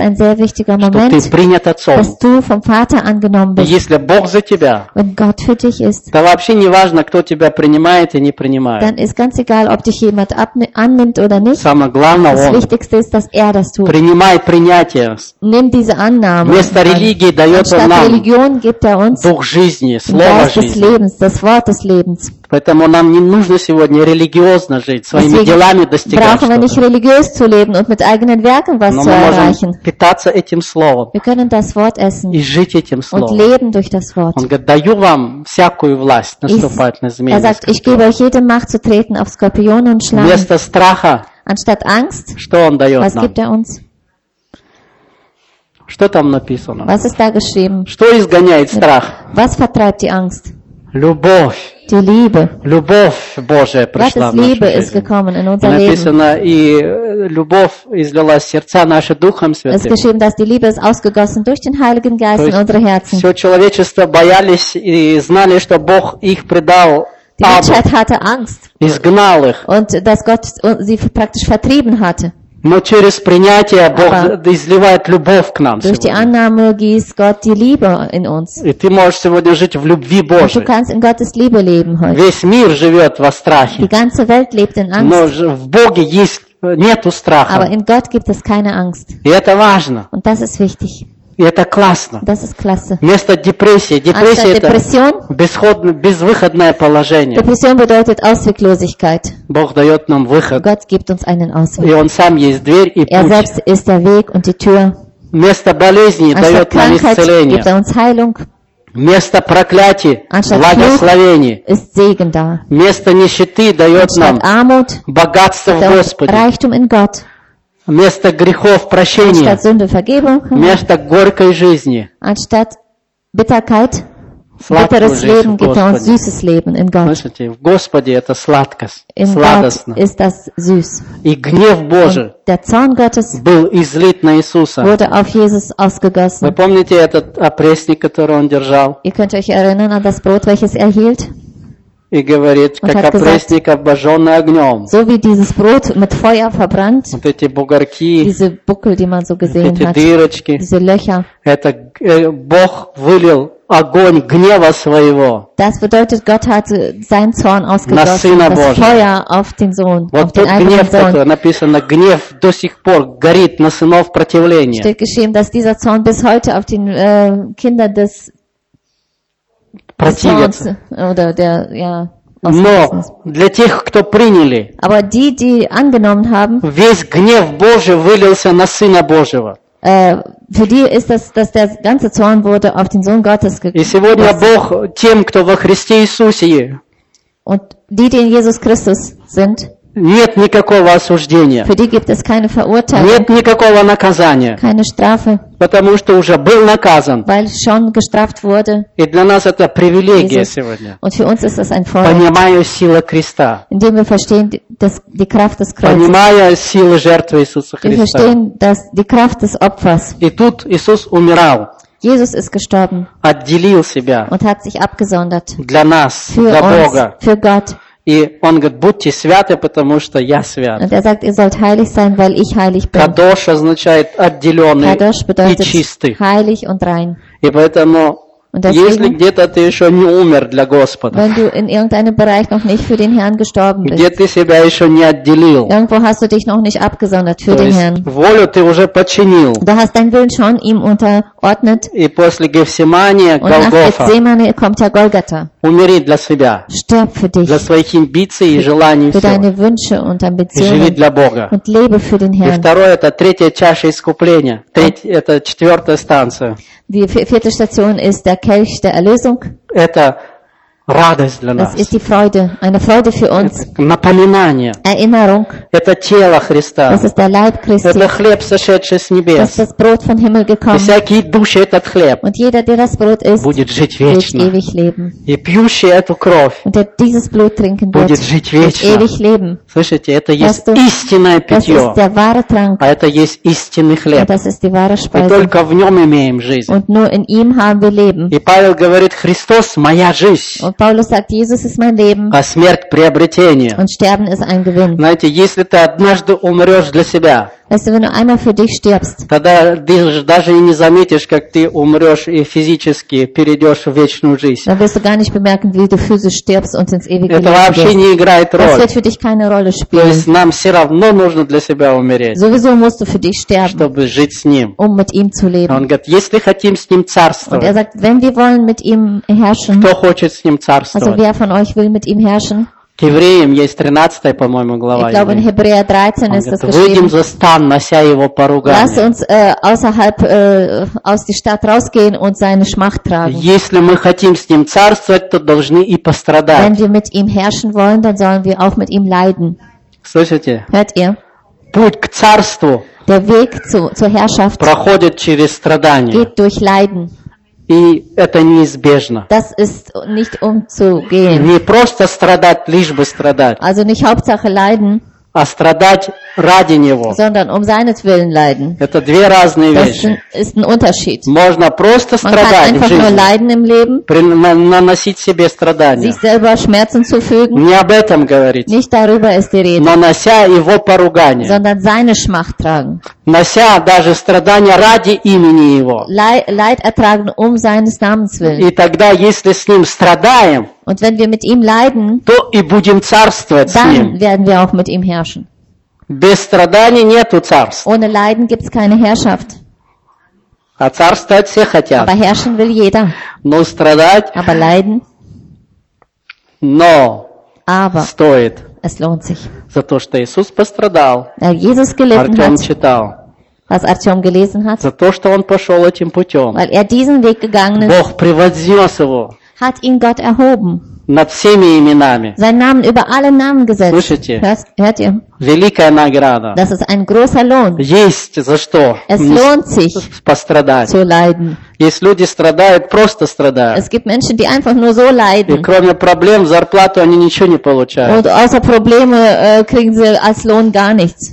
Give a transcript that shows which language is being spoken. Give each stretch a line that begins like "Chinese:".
German: Das ist ein sehr wichtiger Moment.
Russian: Что ты принят отцом.
German: Dass du vom Vater angenommen bist.
Russian: И если Бог за тебя.
German: Wenn Gott für dich ist.
Russian: Да вообще не важно, кто тебя принимает и не принимает.
German: Dann ist ganz egal, ob dich jemand annimmt oder nicht.
Russian: Самое главное.
German: Das Wichtigste ist, dass er das tut.
Russian: Принимай принятие.
German: Nimm diese Annahme.
Russian: Вместо религии дает он нам.
German: Religion gibt er uns.
Russian: Дух жизни, слово жизни.
German: Geist des Lebens, das Wort des Lebens.
Russian: Поэтому нам не нужно сегодня религиозно жить, своими
German: Deswegen
Russian: делами достигать что-то.
German: Brauchen wir nicht religiös zu leben und mit eigenen Werken was
Russian: Но
German: zu erreichen.
Russian: Мы можем питаться этим словом.
German: Wir können das Wort essen.
Russian: И жить этим словом.
German: Und leben durch das Wort.
Russian: Он говорит, даю вам всякую власть наступать на змеи.
German: Er sagt, ich gebe euch jede Macht zu treten auf Skorpione und Schlangen.
Russian: Вместо страха.
German: Anstatt Angst.
Russian: Что он дает
German: was
Russian: нам?
German: Gibt er uns?
Russian: Что там написано?
German: Was ist da geschrieben?
Russian: Что изгоняет страх?
German: Was vertreibt die Angst?
Russian: Любовь.
German: Die Liebe.
Russian: Любовь Божия пришла в нашу жизнь. Написано, и любовь излилась сердца наши Духом Святым.
German: Es ist geschrieben, dass die Liebe ist ausgegossen durch den Heiligen Geist in unsere Herzen.
Russian: Все человечество боялись и знали, что Бог их предал.
German: Die Menschheit hatte Angst.
Russian: Изгнал их.
German: Und dass Gott sie praktisch vertrieben hatte.
Russian: Но через принятие Бог
German: Aber
Russian: изливает любовь к нам
German: durch
Russian: сегодня.
German: Die Annahme gießt Gott die Liebe in uns.
Russian: И ты можешь сегодня жить в любви Божьей.
German: Du kannst in Gottes Liebe leben heute.
Russian: Весь мир живет во страхе.
German: Die ganze Welt lebt in Angst.
Russian: Но в Боге есть, нету страха.
German: Aber in Gott gibt es keine Angst.
Russian: И это важно.
German: Und das ist wichtig.
Russian: И это классно.
German: Das ist klasse.
Russian: Вместо депрессии. Депрессия – это безвыходное положение.
German: Depression bedeutet Ausweglosigkeit.
Russian: Бог дает нам выход.
German: Gott gibt uns einen Ausweg.
Russian: И Он сам есть дверь и путь.
German: Er selbst ist der Weg und die Tür.
Russian: Вместо болезни дает нам исцеление.
German: Gibt er uns Heilung.
Russian: Вместо проклятий
German: Anstatt
Russian: благословений.
German: Ist Segen da.
Russian: Вместо нищеты дает нам
German: Armut,
Russian: богатство в Господе.
German: Reichtum in Gott.
Russian: Вместо грехов прощения.
German: Anstatt Sünde, Vergebung,
Russian: вместо горькой жизни.
German: Anstatt Bitterkeit, bitteres Leben gibt er uns süßes Leben in Gott.
Russian: Слышите, в Господе это сладкость,
German: in
Russian: сладостно.
German: Ist das süß.
Russian: И гнев Божий
German: Und der Zorn Gottes
Russian: был излит на Иисуса.
German: Wurde auf Jesus ausgegossen.
Russian: Вы помните этот опресник, который он держал?
German: Ihr könnt euch erinnern an das Brot, welches er hielt?
Russian: И говорит,
German: und
Russian: как опресник, обожженный огнем.
German: So wie dieses Brot mit Feuer verbrannt.
Russian: Вот эти бугорки.
German: Diese Buckel, die man so gesehen
Russian: эти
German: hat.
Russian: Дырочки.
German: Diese Löcher.
Russian: Это Бог вылил огонь гнева своего.
German: Das bedeutet, Gott hat seinen Zorn ausgegossen.
Russian: На Сына Божия.
German: Das Feuer auf den Sohn.
Russian: Вот
German: auf den
Russian: гнев,
German: Sohn.
Russian: Написано, гнев до сих пор горит на сынов противления.
German: Steht geschrieben, dass dieser Zorn bis heute auf den Kinder des
Russian: Противятся. Но для тех, кто приняли,
German: Aber die, die angenommen haben,
Russian: весь гнев Божий вылился на Сына Божьего.
German: Für die ist das, dass der ganze Zorn wurde auf den Sohn Gottes
Russian: И сегодня Бог тем, кто во Христе Иисусе,
German: Und die, die in Jesus Christus sind,
Russian: нет никакого осуждения.
German: Für die gibt es keine Verurteilung,
Russian: нет никакого наказания.
German: Keine Strafe,
Russian: потому что уже был наказан.
German: Weil schon gestraft wurde,
Russian: и для нас это привилегия Jesus. Сегодня.
German: Und für uns ist das ein Vorrecht,
Russian: понимая силу креста.
German: Indem wir verstehen, dass die Kraft des Kreuzes,
Russian: понимая силу жертвы Иисуса Христа.
German: Wir verstehen, dass die Kraft des Opfers,
Russian: и тут Иисус умирал.
German: Jesus ist gestorben,
Russian: отделил себя.
German: Und hat sich abgesondert.
Russian: Для нас,
German: für
Russian: для
German: uns,
Russian: Бога.
German: Für Gott.
Russian: И он говорит, будьте святы, потому что я свят.
German: Und er sagt, ihr sollt heilig sein, weil ich heilig bin.
Russian: Кадош означает отделенный и чистый.
German: Heilig und rein.
Russian: И поэтому,
German: und deswegen,
Russian: если где-то ты еще не умер для Господа,
German: wenn du in irgendeinem Bereich noch nicht für den Herrn gestorben bist,
Russian: где ты себя еще не отделил,
German: irgendwo hast du dich noch nicht abgesondert für
Russian: то
German: den
Russian: есть,
German: Herrn,
Russian: волю ты уже подчинил,
German: du hast deinen Willen schon ihm unterordnet,
Russian: и после Гефсимания, Голгофа,
German: und nach Gethsemane kommt ja Golgatha,
Russian: умери для себя,
German: stirb für dich,
Russian: для своих амбиций и желаний
German: für
Russian: всего,
German: deine Wünsche und Ambitionen,
Russian: и живи для Бога,
German: und lebe für den Herrn.
Russian: И второе, это третья чаша искупления, это четвертая станция.
German: Die vierte Station ist der Kelch der Erlösung.
Russian: Это радость для нас.
German: Das ist die Freude, eine Freude für uns.
Russian: Это напоминание.
German: Erinnerung.
Russian: Это тело Христа.
German: Das ist der Leib Christi.
Russian: Это хлеб, сошедший с небес.
German: Das ist das Brot von Himmel gekommen.
Russian: И всякий, пьющий этот хлеб.
German: Und jeder, der das Brot isst,
Russian: будет жить вечно.
German: Wird ewig leben.
Russian: И пьющий эту кровь.
German: Und der dieses Blut trinken wird,
Russian: будет жить вечно.
German: Wird ewig leben.
Russian: Слышите, это есть
German: das
Russian: истинное питье.
German: Das ist der wahre Trank.
Russian: А это есть истинный хлеб.
German: Und das ist die wahre Speise.
Russian: И только в нем имеем жизнь.
German: Und nur in ihm haben wir leben.
Russian: И Павел говорит, Христос – моя жизнь.
German: Und Paulus sagt, Jesus ist mein Leben.
Russian: А смерть приобретение.
German: Und Sterben ist ein Gewinn.
Russian: Знаете, если ты однажды умрёшь для себя.
German: Weißt du, wenn du einmal für dich stirbst.
Russian: Тогда ты даже и не заметишь, как ты умрёшь и физически перейдёшь в вечную жизнь.
German: Dann wirst du gar nicht bemerken, wie du physisch stirbst und ins ewige Leben.
Russian: Это вообще не играет роль.
German: Das wird für dich keine Rolle spielen.
Russian: То есть нам всё равно нужно для себя умереть.
German: Sowieso musst du für dich sterben.
Russian: Чтобы жить с ним.
German: Um mit ihm zu leben.
Russian: Он говорит, если хотим с ним царствовать.
German: Und er sagt, wenn wir wollen mit ihm herrschen.
Russian: Кто хочет с ним царствовать?
German: Also wer von euch will mit ihm herrschen?
Russian: К евреям есть 13-я, по-моему, глава.
German: Ich glaube, in Hebräer 13 ist das geschrieben.
Russian: Выйдем за стан, нося его поругание.
German: Lass uns außerhalb aus der Stadt rausgehen und seine Schmach tragen.
Russian: Если мы хотим с ним царствовать, то должны и пострадать.
German: Wenn wir mit ihm herrschen wollen, dann sollen wir auch mit ihm leiden.
Russian: Слышите?
German: Hört ihr?
Russian: Путь к царству.
German: Der Weg zur Herrschaft.
Russian: Проходит через страдания.
German: Geht durch Leiden.
Russian: И это неизбежно.
German: Das ist nicht umzugehen.
Russian: Не просто страдать, лишь бы страдать.
German: Also nicht Hauptsache leiden.
Russian: А страдать ради него.
German: Sondern um seines Willen leiden.
Russian: Это две разные вещи.
German: Das ist ein Unterschied.
Russian: Можно просто страдать в жизни.
German: Man kann nur leiden im Leben.
Russian: Наносить себе страдания.
German: Sich selber Schmerzen zufügen.
Russian: Не об этом говорить.
German: Nicht darüber ist die Rede.
Russian: Нанося его поругание.
German: Sondern seine Schmach tragen.
Russian: Нося даже страдания ради имени его.
German: Leid ertragen um seines Namens willen.
Russian: И тогда, если с ним страдаем,
German: und wenn wir mit ihm leiden,
Russian: то и будем царствовать с ним.
German: Dann werden wir auch mit ihm herrschen.
Russian: Без страданий нету царств.
German: Ohne Leiden gibt's keine Herrschaft.
Russian: А царствовать все хотят.
German: Aber herrschen will jeder.
Russian: Но страдать.
German: Aber leiden.
Russian: Но.
German: Aber.
Russian: Стоит.
German: Es lohnt sich.
Russian: За то, что Иисус пострадал.
German: Weil Jesus gelitten hat.
Russian: Артём читал.
German: Was Artём gelesen hat.
Russian: За то, что он пошёл этим путём.
German: Weil er diesen Weg gegangen ist.
Russian: Бог превознёс его.
German: Hat ihn Gott erhoben.
Russian: Над всеми именами.
German: Sein Namen über alle Namen gesetzt.
Russian: Слышите?
German: Hört ihr?
Russian: Великая награда.
German: Das ist ein großer Lohn.
Russian: Есть за что.
German: Es lohnt sich.
Russian: Пострадать.
German: Zu leiden.
Russian: Есть люди страдают, просто страдают.
German: Es gibt Menschen, die einfach nur so leiden.
Russian: И кроме проблем, зарплату они ничего не получают.
German: Und außer Probleme kriegen sie als Lohn gar nichts.